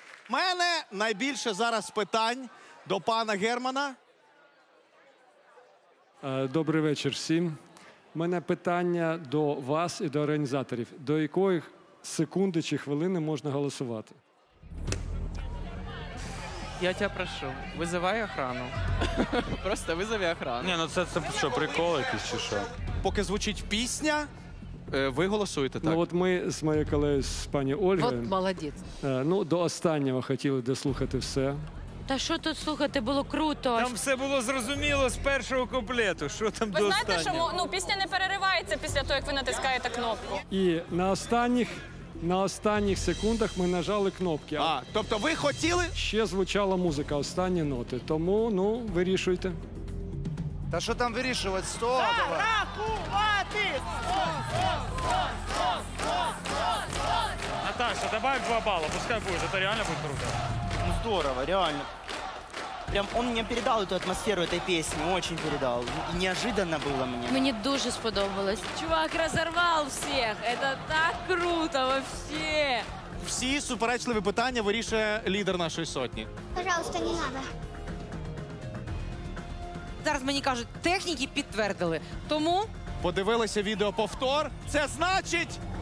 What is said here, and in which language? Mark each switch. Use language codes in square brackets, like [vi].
[uk] У мене найбільше зараз питань до пана Германа. Добрий вечір всім. У мене питання до вас і до організаторів. До якої секунди чи хвилини можна голосувати? Я тебе прошу, визивай охрану. Просто визови охрану. Ні, ну це що, прикол якийсь чи що? Поки звучить пісня. Ви голосуєте, так? Ну, от ми з моєю колегою, з пані Ольгою. От молодець. Ну, до останнього хотіли дослухати все. Та що тут слухати? Було круто. Там все було зрозуміло з першого куплету. Що там ви до знаєте, останнього? Ви знаєте, що ну, пісня не переривається після того, як ви натискаєте кнопку. І на останніх секундах ми нажали кнопки. А, тобто ви хотіли? Ще звучала музика, останні ноти. Тому, ну, вирішуйте. Та що там вирішувати? Стоп! Рахувати! Наташа, [ru] добавь 2 бала, пускай [uk] буде, це реально буде круто. [ru] Ну здорово, реально. прям, он мне передал эту атмосферу этой песни, очень передал. Неожиданно было мне. Мне [uk] дуже сподобалось. [ru] Чувак разорвал всех, это так круто вообще. [uk] Всі суперечливі питання вирішує лідер нашої сотні. [ru] Пожалуйста, не надо. [uk] Зараз мені кажуть, техніки підтвердили, тому... Подивилися відео повтор, це значить...